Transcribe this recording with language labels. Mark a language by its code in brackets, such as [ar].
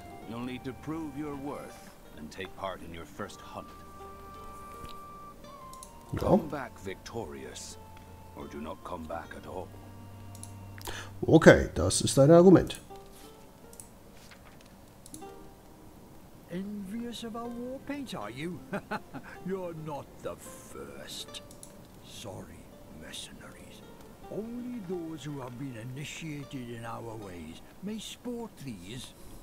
[en] You'll need to prove your worth and take part in your first hunt. Come back victorious, or do not come back at all. [de] Okay, das ist dein Argument. [en] Envious of a war paint, are you? You're not the first. Sorry, mercenaries. Only those who have been initiated in our ways may sport these.